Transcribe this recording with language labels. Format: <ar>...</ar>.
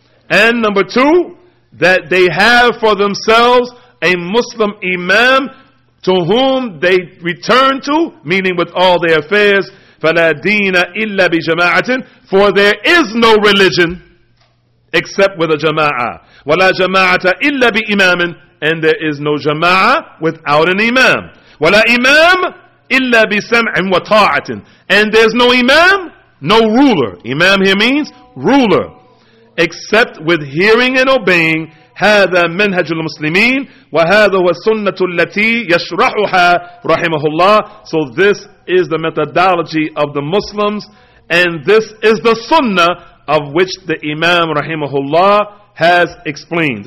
<en>And number two, that they have for themselves a Muslim imam to whom they return to, meaning with all their affairs.</en> <ar>فَلَا دِينَ إِلَّا بِجَمَاعَةٍ.</ar> <en>For there is no religion except with a jama'ah.</en> <ar>وَلَا جَمَاعَةَ إِلَّا بِإِمَامٍ.</ar> <en>And there is no jama'ah without an imam.</en> <ar>وَلَا imam إِلَّا بِسَمْعٍ وَطَاعَةٍ.</ar> <en>And there's no imam, no ruler. Imam here means ruler. Except with hearing and obeying.</en> <ar>هَذَا مَنْهَجُ الْمُسْلِمِينَ وَهَذَا وَسُنَّةُ الَّتِي يَشْرَحُهَا رَحِمَهُ اللَّهِ.</ar> <en>So this is the methodology of the Muslims, and this is the sunnah of which the Imam rahimahullah has explained.</en>